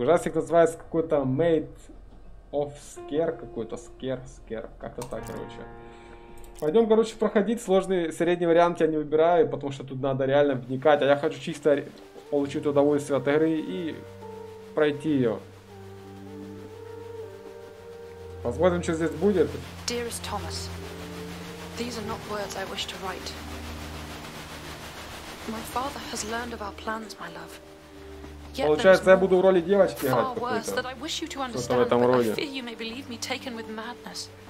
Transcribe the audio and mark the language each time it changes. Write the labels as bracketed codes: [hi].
[ru] Ужастик называется какой-то Made of Scare, какой-то Scare, как-то так, короче. Пойдем, короче, проходить. Сложный средний вариант я не выбираю, потому что тут надо реально вникать. А я хочу чисто получить удовольствие от игры и пройти ее. Посмотрим, что здесь будет. [en] Dearest Thomas, these are not words I wish to write. My father has learned of our plans, my love. [ru] Получается, я буду в роли девочки играть.